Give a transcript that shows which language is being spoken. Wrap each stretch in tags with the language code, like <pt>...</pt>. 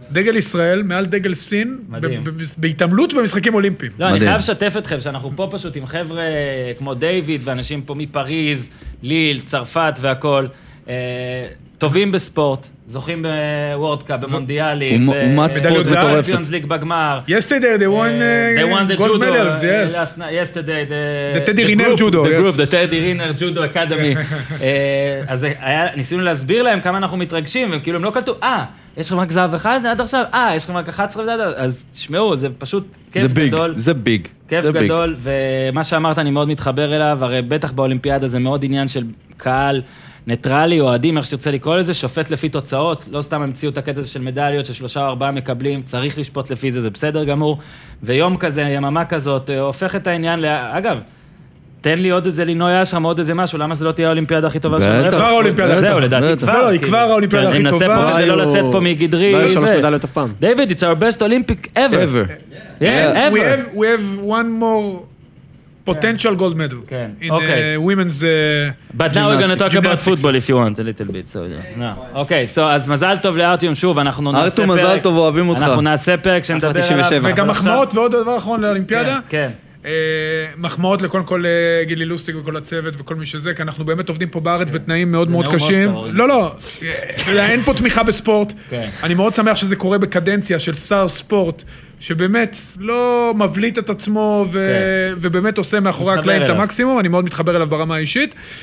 <he>דגל ישראל מעל דגל סין, בהתעמלות במשחקים אולימפיים. לא, אני חייב שתף אתכם, שאנחנו פה פשוט עם חבר'ה כמו דיוויד, ואנשים פה מפריז, ליל, צרפת והכל, טובים בספורט. זוכים בוורד קאפ, במונדיאלים, במדליות זהב, בצ'מפיונס ליג בגמר.</he> <en>Yesterday they won gold medals, yes. Yesterday the Teddy Riner Judo, the group, the Teddy Riner Judo Academy.</en> <he>אז ניסינו להסביר להם כמה אנחנו מתרגשים, והם כאילו הם לא קלטו, יש לכם רק זהב אחד עד עכשיו? יש לכם רק 11 וזה עד עכשיו? אז שמעו, זה פשוט כיף גדול. זה ביג. כיף גדול, ומה שאמרת אני מאוד מתחבר אליו, הרי בטח באולימפיאדה זה מאוד עניין של קהל, ניטרלי, אוהדים, איך שתרצה לקרוא לזה, שופט לפי תוצאות, לא סתם המציאו את הקטע הזה של מדליות, ששלושה או ארבעה מקבלים, צריך לשפוט לפי זה, זה בסדר גמור, ויום כזה, יממה כזאת, הופך את העניין, אגב, תן לי עוד איזה לינוי אשרם, עוד איזה משהו, למה זה לא תהיה האולימפיאדה הכי טובה? כבר האולימפיאדה הכי טובה. זהו, לדעתי כבר. לא, היא כבר האולימפיאדה הכי טובה. אני מנסה פה כזה לא לצאת פה מגדרי. לא, יש שלוש מדליות אף פעם.</he> <en>דיוויד, it's our best Olympic ever. Ever. Yeah, ever. We have one more... potential gold medal in women's but now we're going to talk about football if you want a little bit so no okay so</en> <he>אז מזל טוב לארטיום שוב אנחנו נעשה ארטיום מזל טוב אוהבים אותך אנחנו נעשה פרק שנדבר עליו 97 וגם מחמאות ועוד דבר אחרון לאולימפיאדה כן מחמאות לקודם כל גילי לוסטיק וכל הצוות וכל מי שזה, כי אנחנו באמת עובדים פה בארץ בתנאים מאוד מאוד קשים. לא, אין פה תמיכה בספורט. אני מאוד שמח שזה קורה בקדנציה של שר ספורט, שבאמת לא מבליט את עצמו ובאמת עושה מאחורי הקלעים את המקסימום, אני מאוד מתחבר אליו ברמה האישית.</he>